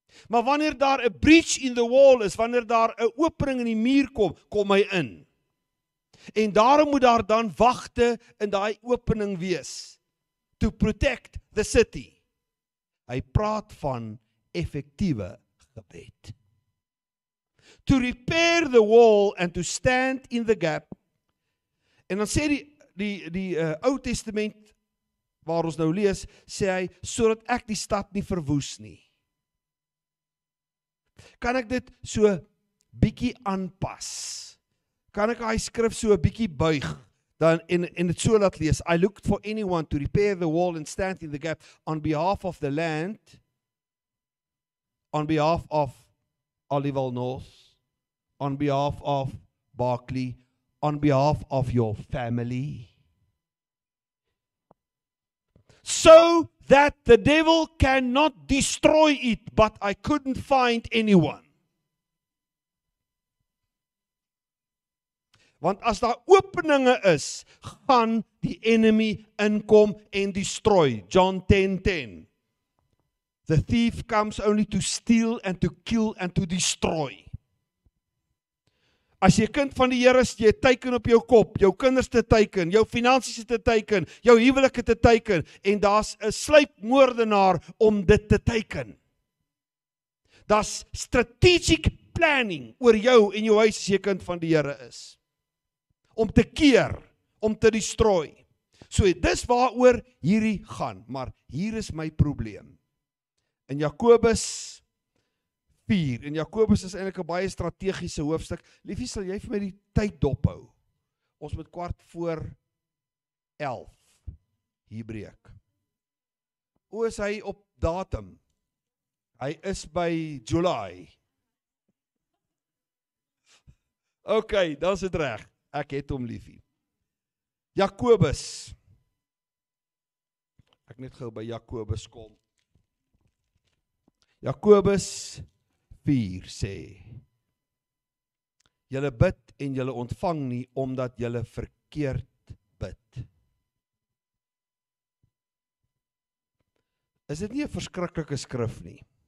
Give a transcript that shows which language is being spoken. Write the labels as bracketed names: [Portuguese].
[Afrikaans] Maar wanneer daar 'n [English] breach in the wall [Afrikaans] is, wanneer daar 'n opening in die muur kom, kom hy in. En daarom moet daar dan wagte in daai opening wees. [English] To protect the city. [Afrikaans] Hy praat van effektiewe gebed. [English] To repair the wall and to stand in the gap. [Afrikaans] En dan sê die Ou Testament waar ons nou lees, sê hy, sodat ek die stad nie verwoes nie. Kan ek dit so bietjie aanpas? Kan ek hy skrif so 'n bietjie buig dan en dit so laat lees. [English] I looked for anyone to repair the wall and stand in the gap on behalf of the land, on behalf of Aliwal-Noord, on behalf of Barclay, on behalf of your family. So that the devil cannot destroy it, but I couldn't find anyone. [Afrikaans] Want as daar openinge is, gaan die enemy inkom en destroy. [English] John 10:10. The thief comes only to steal and to kill and to destroy. [Afrikaans] As jy kind van die Here is, jy teken op jou kop, jou kinders te teken, jou finansies te teken, jou huwelike te teken en daar's 'n sluipmoordenaar om dit te teken. Daar's strategic planning oor jou en jou huis as jy kind van die Here is. Om te keer, om te destroy. So dis waaroor hierdie gaan, maar hier is my probleem. In Jakobus 4, en Jakobus is eintlik 'n baie strategiese hoofstuk. Liefie, sal jy vir my die tyd dophou? Ons moet kwart voor 11 hier breek. O, is hy op datum? Hy is by July. Ok, dan is dit reg. Ek het hom liefie. Jakobus. Ek net gou by Jakobus kom. Jakobus 4 sê, julle bid en julle ontvang nie, omdat julle verkeerd bid. Is dit nie 'n verskriklike skrif nie?